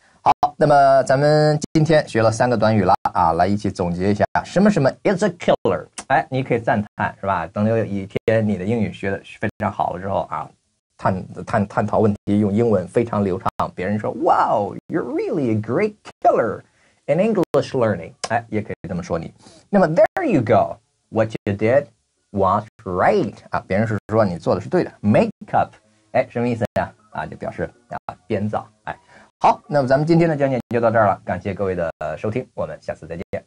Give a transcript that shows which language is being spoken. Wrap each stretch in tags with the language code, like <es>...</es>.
<zh>好，那么咱们今天学了三个短语了啊，来一起总结一下，什么什么</zh> <en>is a killer。</en> <zh>哎，你可以赞叹是吧？等有一天你的英语学的非常好了之后啊，探讨问题用英文非常流畅，别人说</zh> <en>Wow, you're really a great killer in English learning。</en> <zh>哎，也可以这么说你。那么</zh> <en>There you go, what you did was right。</en> <zh>啊，别人是说你做的是对的。Make up， 哎，什么意思呀？啊，就表示啊编造。哎，好，那么咱们今天的讲解就到这儿了，感谢各位的收听，我们下次再见。</zh>